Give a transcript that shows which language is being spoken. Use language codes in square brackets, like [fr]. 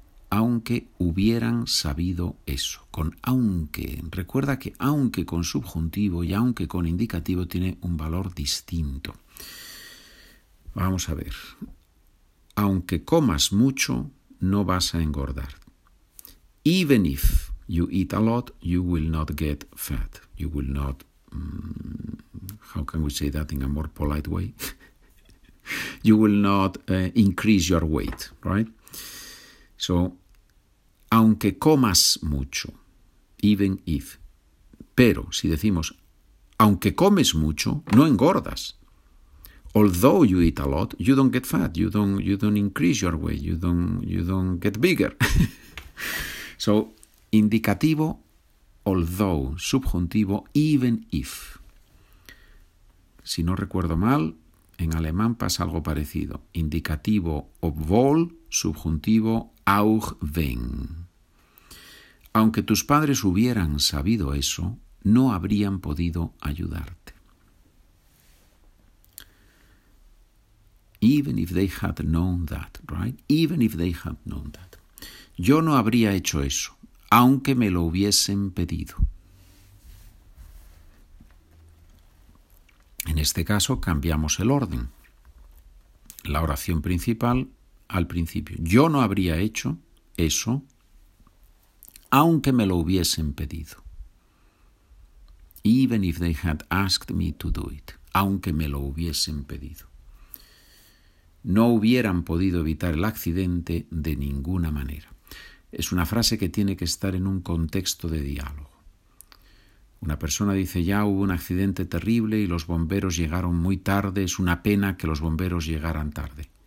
[es] Aunque hubieran sabido eso. Con aunque. Recuerda que aunque con subjuntivo y aunque con indicativo tiene un valor distinto. Vamos a ver. Aunque comas mucho, no vas a engordar. [en] Even if you eat a lot, you will not get fat. You will not. How can we say that in a more polite way? You will not increase your weight, right? [es] So, aunque comas mucho, [en] even if, [es] pero si decimos, aunque comes mucho, no engordas. [en] Although you eat a lot, you don't get fat. You don't increase your weight. You don't get bigger. So, indicativo. Although, subjuntivo, even if. [es] Si no recuerdo mal, en alemán pasa algo parecido. Indicativo, obwohl, subjuntivo, auch wenn. Aunque tus padres hubieran sabido eso, no habrían podido ayudarte. [en] Even if they had known that, right? Even if they had known that. [es] Yo no habría hecho eso. Aunque me lo hubiesen pedido. En este caso cambiamos el orden. La oración principal al principio. Yo no habría hecho eso aunque me lo hubiesen pedido. [en] Even if they had asked me to do it. [es] Aunque me lo hubiesen pedido. No hubieran podido evitar el accidente de ninguna manera. Es una frase que tiene que estar en un contexto de diálogo. Una persona dice, ya hubo un accidente terrible y los bomberos llegaron muy tarde, es una pena que los bomberos llegaran tarde.